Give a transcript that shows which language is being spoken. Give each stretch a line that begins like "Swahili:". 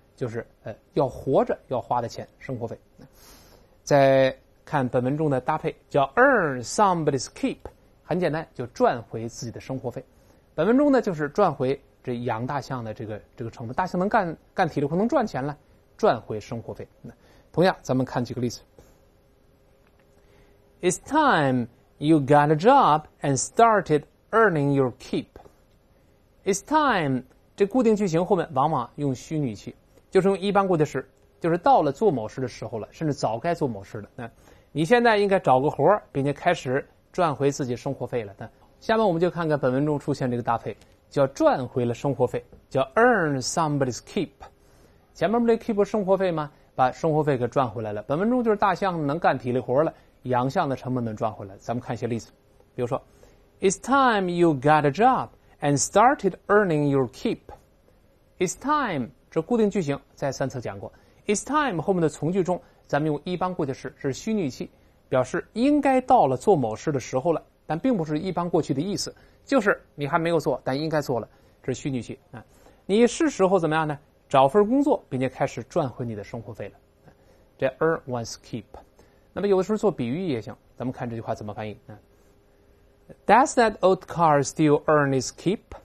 Chinese: 就是要活着要花的钱，生活费。再看本文中的搭配，叫
English: earn somebody's keep，
Chinese: 很简单，就赚回自己的生活费。本文中呢，就是赚回这养大象的这个成本。大象能干体力活，能赚钱了，赚回生活费。同样，咱们看几个例子。
English: It's time you got a job and started earning your keep.
Chinese: It's time, 这固定句型后面往往用虚拟器，就是用一般过去式，就是到了做某事的时候了，甚至早该做某事了。那你现在应该找个活，并且开始赚回自己生活费了。那下面我们就看看本文中出现这个搭配，叫赚回了生活费，叫
English: earn somebody's keep。
Chinese: 前面不是 keep 生活费吗？把生活费给赚回来了。本文中就是大象能干体力活了，洋相的成本能赚回来。咱们看一些例子，比如说 ，
English: It's time you got a job and started earning your keep.
Chinese: It's time 这固定句型在三册讲过。 It's time 后面的从句中，咱们用一般过去式是虚拟器，表示应该到了做某事的时候了，但并不是一般过去的意思，就是你还没有做，但应该做了，这是虚拟器啊。你是时候怎么样呢？找份工作，并且开始赚回你的生活费了。这
English: earn one's keep，
Chinese: 那么有的时候做比喻也行。咱们看这句话怎么翻译。
English: Does that old car still earn its keep？